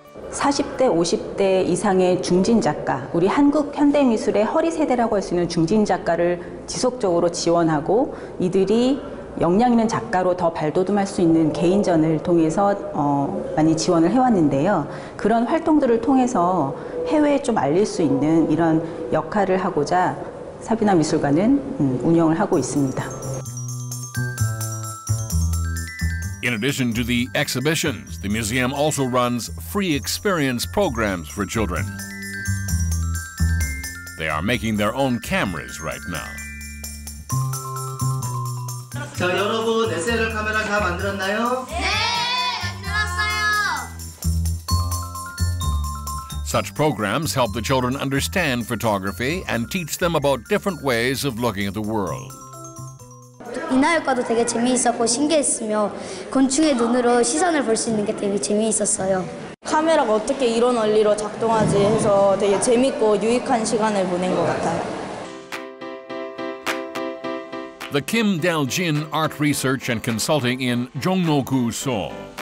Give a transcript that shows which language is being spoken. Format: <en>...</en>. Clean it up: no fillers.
<ko>40대, 50대 이상의 중진 작가, 우리 한국 현대미술의 허리 세대라고 할 수 있는 중진 작가를 지속적으로 지원하고 이들이 역량 있는 작가로 더 발돋움할 수 있는 개인전을 통해서 많이 지원을 해왔는데요. 그런 활동들을 통해서 해외에 좀 알릴 수 있는 이런 역할을 하고자 사비나 미술관은 운영을 하고 있습니다.</ko> <en>In addition to the exhibitions, the museum also runs free experience programs for children. They are making their own cameras right now.</en> <ko>자, 여러분, 에셀 카메라 다 만들었나요? 네, 만들었어요.</ko> <en>Such programs help the children understand photography and teach them about different ways of looking at the world.</en> <ko>인화효과도 되게 재미있었고 신기했으며 곤충의 눈으로 시선을 볼 수 있는 게 되게 재미있었어요. 카메라가 어떻게 이런 원리로 작동하지 해서 되게 재밌고 유익한 시간을 보낸 것 같아요.</ko> <en>The Kim Dal-jin Art Research and Consulting in Jongno-gu, Seoul.</en>